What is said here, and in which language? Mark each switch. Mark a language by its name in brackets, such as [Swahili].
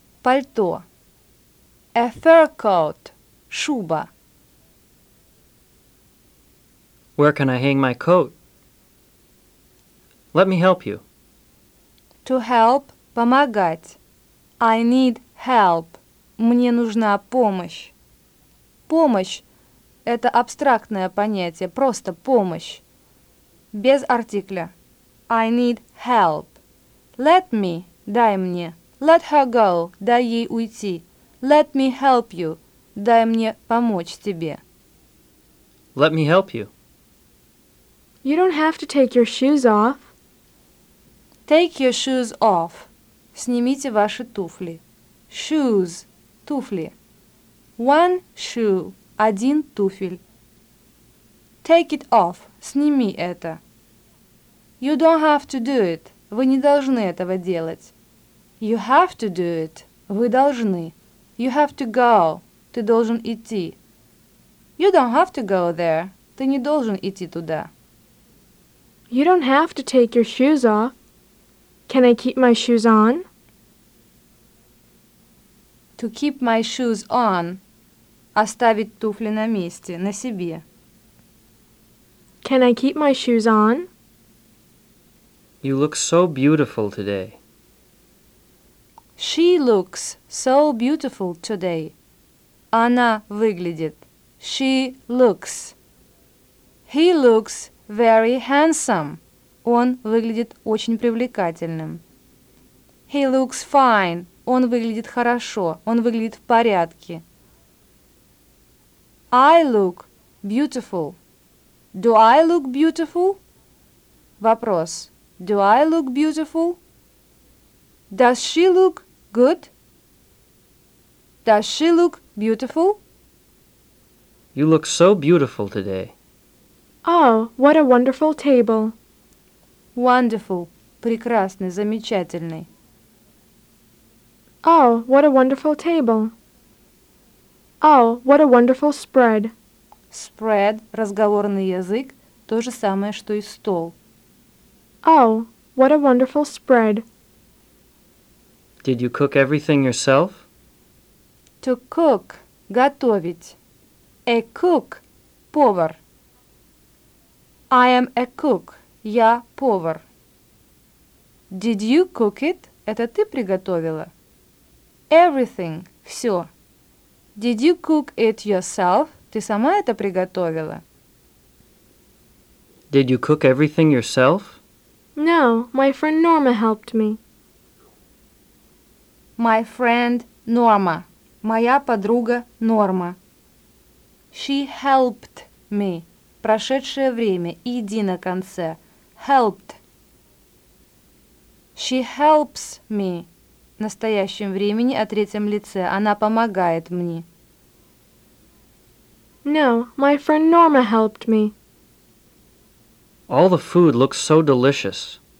[English] Пальто. A fur coat. Шуба. Where can I hang my coat? Let me help you. to help, помогать. I need help. [Russian] Мне нужна помощь. Помощь – это абстрактное понятие, просто помощь. Без артикля. [English] I need help. Let me – [Russian] дай мне. [English] Let her go – [Russian] дай ей уйти. [English] Let me help you – [Russian] дай мне помочь тебе. [English] Let me help you. You don't have to take your shoes off. Take your shoes off. [Russian] Снимите ваши туфли. [English] Shoes – туфли. One shoe – [Russian] один туфель. [English] Take it off. [Russian] Сними это. [English] You don't have to do it. [Russian] Вы не должны этого делать. [English] You have to do it. [Russian] Вы должны. [English] You have to go. [Russian] Ты должен идти. [English] You don't have to go there. [Russian] Ты не должен идти туда. [English] You don't have to take your shoes off. Can I keep my shoes on? To keep my shoes on. [Russian] Оставить туфли на месте, на себе. [English] Can I keep my shoes on? You look so beautiful today. She looks so beautiful today. [Russian] Она выглядит. [English] She looks. He looks very handsome. [Russian] Он выглядит очень привлекательным. [English] He looks fine. [Russian] Он выглядит хорошо. Он выглядит в порядке. [English] I look beautiful. Do I look beautiful? Вопрос. Do I look beautiful? Does she look good? Does she look beautiful? You look so beautiful today. Oh, what a wonderful table. Wonderful. [Russian] Прекрасный, замечательный. [English] Oh, what a wonderful table. Oh, what a wonderful spread. [Russian] Spread, разговорный язык, то же самое, что и стол. [English] Oh, what a wonderful spread. Did you cook everything yourself? To cook, готовить. A cook, повар. I am a cook, [Russian] я повар. [English] Did you cook it? [Russian] Это ты приготовила? [English] Everything, все. Did you cook it yourself? [Russian] Ты сама это приготовила? [English] Did you cook everything yourself? No, my friend Norma helped me. My friend Norma. [Russian] Моя подруга Норма. [English] She helped me. [Russian] Прошедшее время. Иди на конце. [English] Helped. She helps me. [Russian] В настоящем времени о третьем лице. Она помогает мне. [English] No, my friend Norma helped me. All the food looks so delicious.